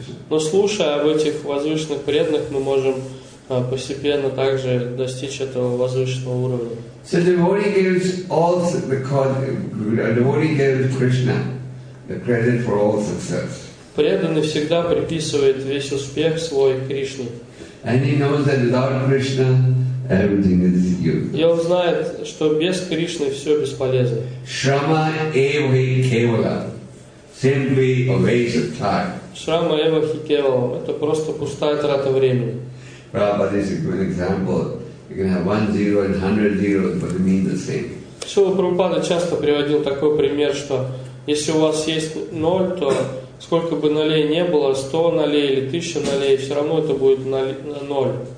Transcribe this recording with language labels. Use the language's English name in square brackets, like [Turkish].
[Russian] Но слушая об этих возвышенных преданных, мы можем постепенно также достичь этого возвышенного уровня. [English] So devotee gives all the devotee gives Krishna the credit for all success. [Russian] Преданный всегда приписывает весь успех свой Кришне. [English] And he knows that without Krishna everything is useless. [Russian] И он знает, что без Кришны все бесполезно. [Sanskrit] Shrama eva hi kevala, [English] simply a waste of time. [Sanskrit] Shrama eva hi kevala, [Russian] это просто пустая трата времени. [English] Prabhupada is a good example. You can have 1 zero and 100 zeros, but it means the same. [Russian] Шрила Прабхупада часто приводил такой пример, что если у вас есть ноль, то сколько бы нолей не было, 100 нолей или 1000 нолей, все равно это будет ноль.